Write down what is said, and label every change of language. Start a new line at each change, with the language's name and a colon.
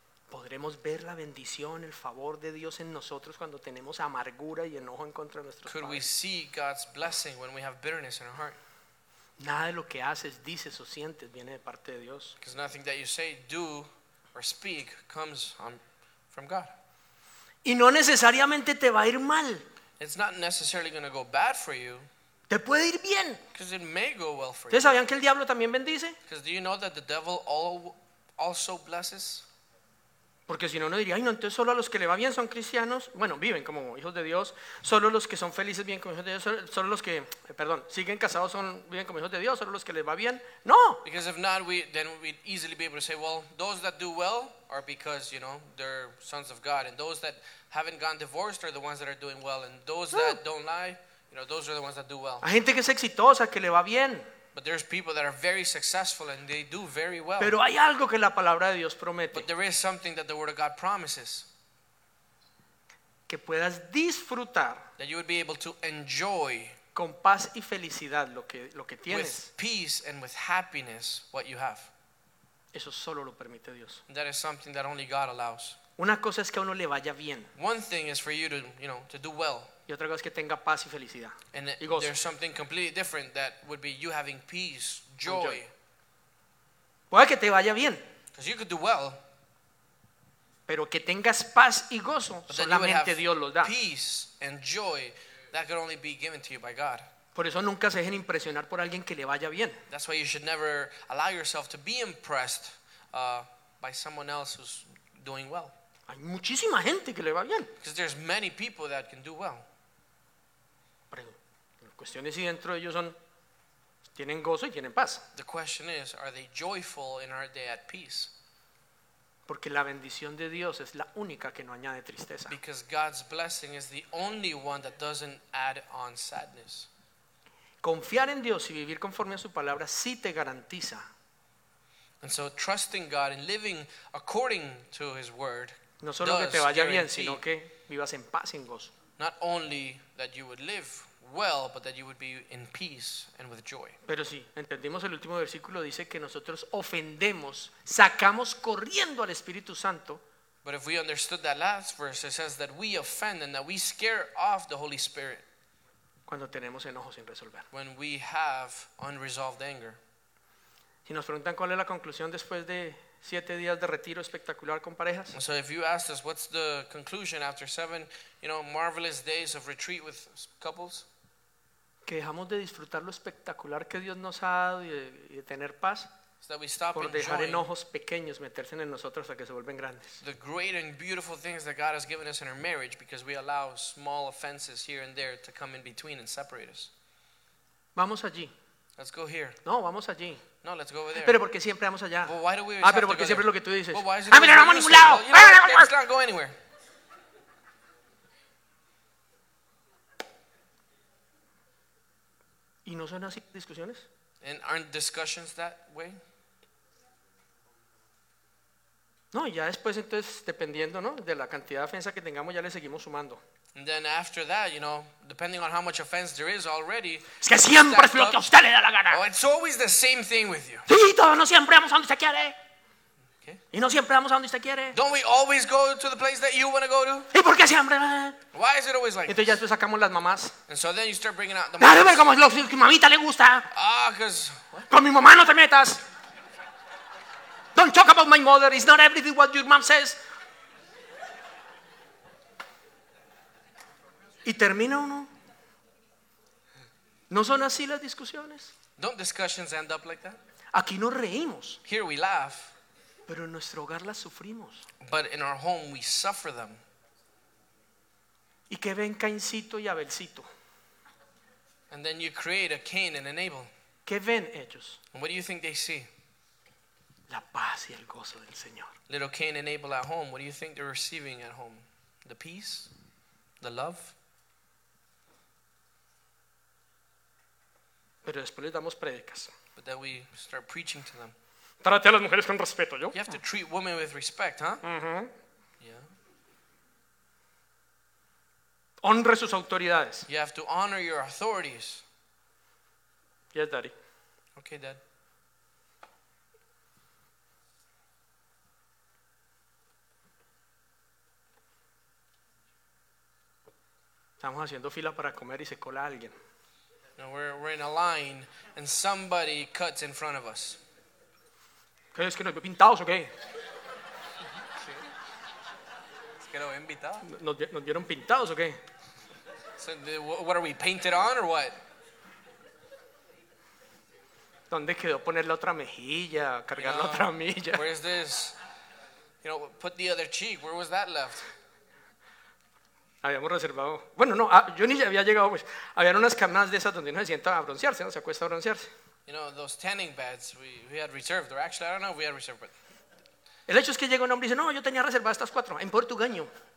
Spanish: ¿Podremos ver la bendición, el favor de Dios en nosotros cuando tenemos amargura y enojo en contra de nuestros
English: Could
Spanish: padres?
English: Could we see God's blessing when we have bitterness in our heart?
Spanish: Nada de lo que haces, dices o sientes viene de parte de Dios.
English: Because nothing that you say, do, or speak comes from God.
Spanish: Y no necesariamente te va a ir mal.
English: It's not necessarily going to go bad for you.
Spanish: Te puede ir bien.
English: Because it may go well for you.
Spanish: ¿Ustedes sabían que el diablo también bendice?
English: Because do you know that the devil also blesses?
Spanish: Porque si no, uno diría, ay, no, entonces solo a los que le va bien son cristianos. Bueno, viven como hijos de Dios. Solo los que son felices viven como hijos de Dios. Solo los que, perdón, siguen casados son, viven como hijos de Dios. Solo los que les va bien. No.
English: Because if not, then we'd easily be able to say, well, those that do well are because, you know, they're sons of God. And those that haven't gotten divorced are the ones that are doing well. And those that don't lie, you know, those are the ones that do well.
Spanish: Hay gente que es exitosa, que le va bien.
English: But there's people that are very successful and they do very well.
Spanish: Pero hay algo que la palabra de Dios promete.
English: But there is something that the Word of God promises.
Spanish: Que puedas disfrutar.
English: That you would be able to enjoy.
Spanish: Con paz y felicidad lo que tienes.
English: With peace and with happiness what you have.
Spanish: Eso solo lo permite Dios.
English: And that is something that only God allows.
Spanish: Una cosa es que a uno le vaya bien.
English: One thing is for you to do well.
Spanish: Y otra cosa es que tenga paz y felicidad.
English: And
Spanish: y gozo.
English: There's something completely different that would be you having peace, joy.
Spanish: Puede que te vaya bien.
English: Because you could do well.
Spanish: Pero que tengas paz y gozo, solamente Dios lo da.
English: Peace and joy that could only be given to you by God.
Spanish: Por eso nunca se dejen impresionar por alguien que le vaya bien.
English: That's why you should never allow yourself to be impressed by someone else who's doing well.
Spanish: Hay muchísima gente que le va bien.
English: Because there's many people that can do well.
Spanish: Cuestiones y dentro de ellos son tienen gozo y tienen paz.
English: The question is, are they joyful and are they at peace?
Spanish: Porque la bendición de Dios es la única que no añade tristeza.
English: Because God's blessing is the only one that doesn't add on sadness.
Spanish: Confiar en Dios y vivir conforme a su palabra sí te garantiza.
English: And so trusting God and living according to His word.
Spanish: No solo que te vaya bien, sino que vivas en paz y en gozo.
English: Not only that you would live well, but that you would be in peace and with joy.
Spanish: Pero sí, entendimos el último versículo, dice que nosotros ofendemos, sacamos corriendo al Espíritu Santo.
English: But if we understood that last verse, it says that we offend and that we scare off the Holy Spirit.
Spanish: Cuando tenemos enojo sin resolver.
English: When we have unresolved anger.
Spanish: Si nos preguntan cuál es la conclusión después de 7 días de retiro espectacular con parejas.
English: So if you ask us, what's the conclusion after 7, marvelous days of retreat with couples?
Spanish: Que dejamos de disfrutar lo espectacular que Dios nos ha dado y de tener paz.
English: So that we stop
Spanish: por dejar enojos pequeños meterse en nosotros hasta que se vuelven grandes.
English: The great and beautiful things that God has given us in our marriage because we allow small offenses here and there to come in between and separate us.
Spanish: Vamos allí.
English: Let's go here.
Spanish: No, vamos allí.
English: No, let's go over there.
Spanish: Pero porque siempre vamos allá.
English: Well, why do we
Spanish: ah, pero porque siempre
English: there?
Spanish: Lo que tú dices.
English: Well, why is it
Spanish: ah, mira, no vamos a ningún lado.
English: Let's not go anywhere.
Spanish: ¿Y no son así discusiones?
English: And aren't discussions that way?
Spanish: No, ya después entonces dependiendo, ¿no? De la cantidad de ofensa que tengamos ya le seguimos sumando.
English: And then after that, depending on how much offense there is already.
Spanish: Es que siempre es lo que a usted le da la gana.
English: Oh, it's always the same thing with you.
Spanish: Sí, todo, no siempre vamos a donde usted quiere.
English: Okay.
Spanish: Y no siempre vamos a donde usted quiere.
English: Don't we always go to the place that you want to go to?
Spanish: ¿Y por qué siempre?
English: Why is it always like?
Spanish: Entonces ya después sacamos las mamás.
English: And so then you start bringing out the moms.
Spanish: Dale, ver cómo es lo que mamita le gusta.
English: Ah, cause what?
Spanish: Con mi mamá no te metas.
English: Don't talk about my mother. It's not everything what your mom says.
Spanish: Y termina uno. ¿No son así las discusiones?
English: Don't discussions end up like that?
Spanish: Aquí nos reímos.
English: Here we laugh.
Spanish: Pero en nuestro hogar las sufrimos.
English: But in our home we suffer them.
Spanish: ¿Y qué ven Caincito y Abelcito?
English: And then you create a Cain and an Abel.
Spanish: ¿Qué ven ellos?
English: And what do you think they see?
Spanish: La paz y el gozo del Señor.
English: Little Cain and Abel at home, what do you think they're receiving at home? The peace? The love?
Spanish: Pero después les damos predicas.
English: But then we start preaching to them.
Spanish: Trate a las mujeres con respeto, ¿yo?
English: You have to treat women with respect, huh? Uh-huh. Yeah.
Spanish: Honre sus autoridades.
English: You have to honor your authorities. Yes, daddy. Okay, dad.
Spanish: Estamos haciendo fila para comer y se cola alguien.
English: No, we're in a line and somebody cuts in front of us.
Spanish: ¿Qué es que nos ven pintados o qué? Es que nos ven pintados. ¿Nos vieron pintados o qué?
English: So, what are we painted on or what?
Spanish: ¿Dónde quedó poner la otra mejilla, cargar la otra milla?
English: Where is this? You know, put the other cheek. Where was that left?
Spanish: Habíamos reservado. Bueno, no, yo ni había llegado. Pues, habían unas camas de esas donde uno se sienta a broncearse, ¿no? Se acuesta a broncearse.
English: You know, those tanning beds we had reserved. Or actually, I don't know if we had reserved.
Spanish: El hecho es que llega un hombre y dice, no, yo tenía reservadas estas cuatro en portugueño.